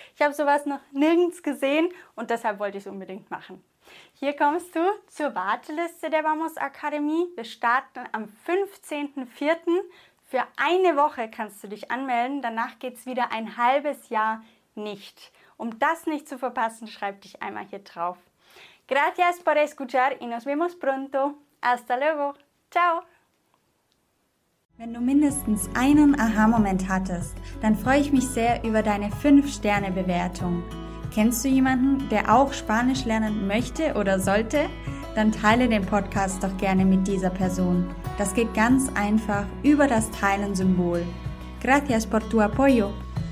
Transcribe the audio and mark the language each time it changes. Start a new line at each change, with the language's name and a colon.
German: Ich habe sowas noch nirgends gesehen und deshalb wollte ich es unbedingt machen. Hier kommst du zur Warteliste der Vamos Akademie. Wir starten am 15.04. Für eine Woche kannst du dich anmelden. Danach geht es wieder ein halbes Jahr nicht. Um das nicht zu verpassen, schreib dich einmal hier drauf.
Spanish: Gracias por escuchar y nos vemos pronto. Hasta luego. Ciao.
German: Wenn du mindestens einen Aha-Moment hattest, dann freue ich mich sehr über deine 5-Sterne-Bewertung. Kennst du jemanden, der auch Spanisch lernen möchte oder sollte? Dann teile den Podcast doch gerne mit dieser Person. Das geht ganz einfach über das Teilen-Symbol.
Spanish: Gracias por tu apoyo.